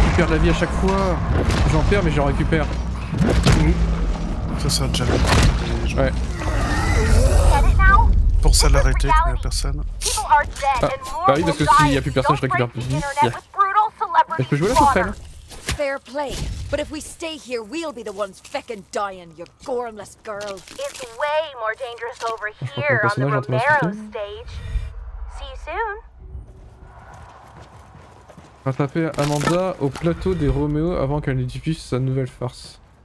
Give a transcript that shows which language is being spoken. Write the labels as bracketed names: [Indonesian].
[French] La vie à chaque fois, j'en perds mais j'en récupère. Ça sert déjà à ouais. Pour ça l'arrêter, il n'y a personne. Ah. Bah oui, parce que s'il n'y a plus personne, je récupère plus vite. Yeah. Est-ce que je veux la sauterelle? [English] Fair play, but if we stay here, we'll be the ones feckin' dying, you gormless girl. It's way more dangerous over here on the Romero stage. See you soon. [French] Rattraper Amanda au plateau des Roméo avant qu'elle ne diffuse sa nouvelle farce.